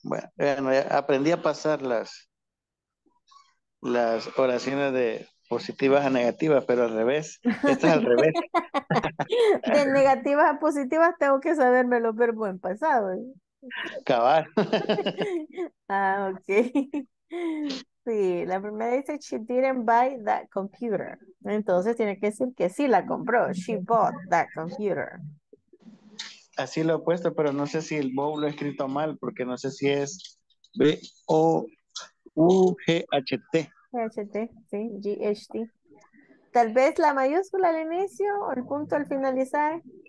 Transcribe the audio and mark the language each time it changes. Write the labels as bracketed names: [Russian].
[Spanish] Bueno, aprendí a pasar las oraciones de positivas a negativas, pero al revés. Esta es al revés. De negativas a positivas tengo que saberme los verbos en pasado. Cabal. Ah, ok. Sí, la primera dice [English] she didn't buy that computer. [Spanish] Entonces tiene que decir que sí la compró. [English] She bought that computer. [Spanish] Así lo he puesto, pero no sé si el bow lo he escrito mal, porque no sé si es B-O-U-G-H-T. G-H-T, sí, G-H-T. Tal vez la mayúscula al inicio o el punto al finalizar.